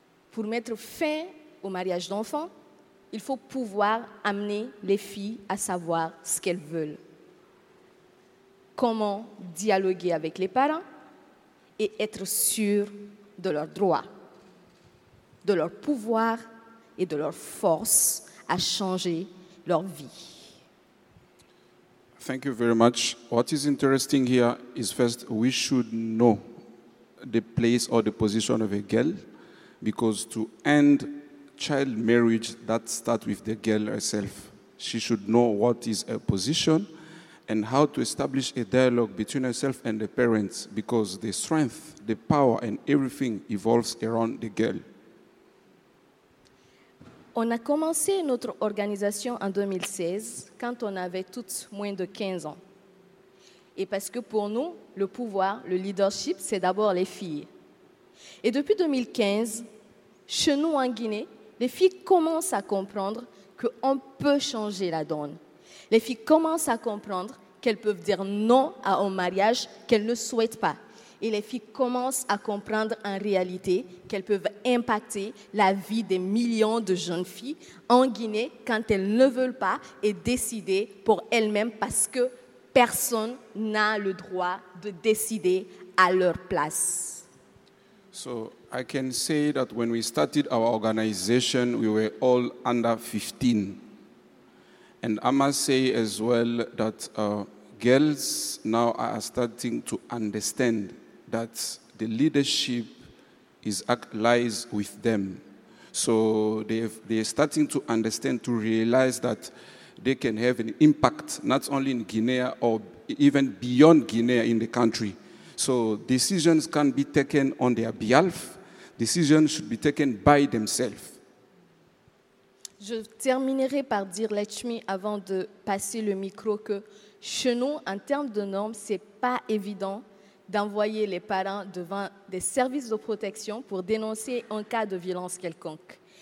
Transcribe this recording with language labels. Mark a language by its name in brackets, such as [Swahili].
[French] Pour mettre fin au mariage d'enfants, il faut pouvoir amener les filles à savoir ce qu'elles veulent. Comment dialoguer avec les parents et être sûr de leurs droits, de leur pouvoir et de leur force à changer leur vie. [English] Thank you very much. What is interesting here is first, we should know the place or the position of a girl, because to end child marriage, that starts with the girl herself. She should know what is her position and how to establish a dialogue between herself and the parents, because the strength, the power, and everything evolves around the girl. [French] On a commencé notre organisation en 2016, quand on avait toutes moins de 15 ans. Et parce que pour nous, le pouvoir, le leadership, c'est d'abord les filles. Et depuis 2015, chez nous en Guinée, les filles commencent à comprendre qu'on peut changer la donne. Les filles commencent à comprendre qu'elles peuvent dire non à un mariage qu'elles ne souhaitent pas. Et les filles commencent à comprendre en réalité qu'elles peuvent impacter la vie des millions de jeunes filles en Guinée quand elles ne veulent pas et décider pour elles-mêmes, parce que personne n'a le droit de décider à leur place. [English] So I can say that when we started our organization, we were all under 15. And I must say as well that girls now are starting to understand that the leadership lies with them. So they're starting to understand, to realize that they can have an impact, not only in Guinea or even beyond Guinea in the country. So decisions can be taken on their behalf. decisions should be taken by themselves. [French] Je terminerai par dire, Lakshmi, avant de passer le micro, que chez nous, en termes de normes, ce n'est pas évident d'envoyer les parents devant des services de protection pour dénoncer un cas de violence quelconque.